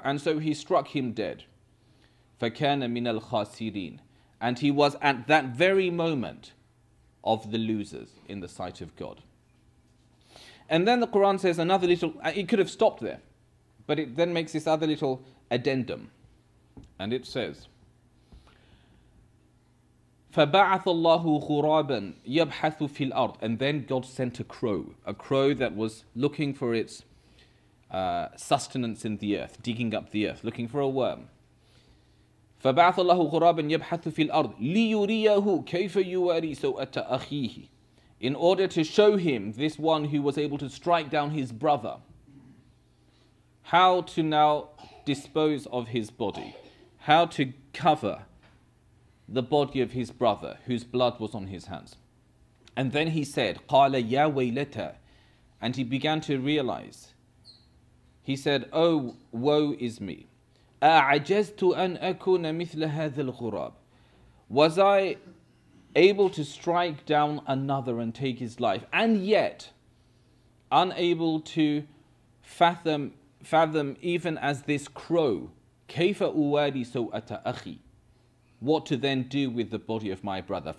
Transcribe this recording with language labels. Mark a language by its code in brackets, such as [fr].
[en] And so he struck him dead. [ar] فَكَانَ مِنَ الْخَاسِرِينَ. [en] And he was at that very moment of the losers in the sight of God. And then the Quran says another little, it could have stopped there, but it then makes this other little addendum. And it says, [ar] فَبَعَثَ اللَّهُ غُرَابًا يَبْحَثُ فِي الْأَرْضِ. [en] And then God sent a crow that was looking for its sustenance in the earth, digging up the earth, looking for a worm. [ar] فبعث الله غرابا يبحث في الأرض ليريه كيف يواري سوءة أخيه. [en] In order to show him, this one who was able to strike down his brother, how to now dispose of his body, how to cover the body of his brother whose blood was on his hands. And then he said, [ar] قَالَ يَا وَيْلَتَ, [en] and he began to realize. He said, oh, woe is me. [ar] أَعَجَزْتُ أَنْ أَكُونَ مِثْلَ هَذَا الْغُرَابِ. [en] Was I able to strike down another and take his life, and yet unable to fathom even as this crow, [ar] كَيْفَ أُوَارِي سَوْءَةَ أَخِي, [en] what to then do with the body of my brother.